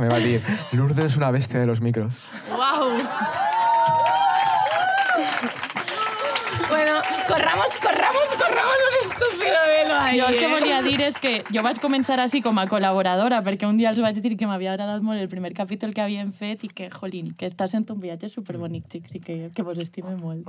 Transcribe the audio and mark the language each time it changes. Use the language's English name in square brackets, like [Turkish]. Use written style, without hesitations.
[Catalan] Me va dir, Lourdes és una bèstia de los micros. Uau! [Spanish] Bueno, corramos un estúpido velo ahí. [Catalan] Jo el que volia dir és que jo vaig començar així com a col·laboradora, perquè un dia els vaig dir que m'havia agradat molt el primer capítol que havien fet i que, jolín, que està sent un viatge superbonic, xics, i que vos estime molt.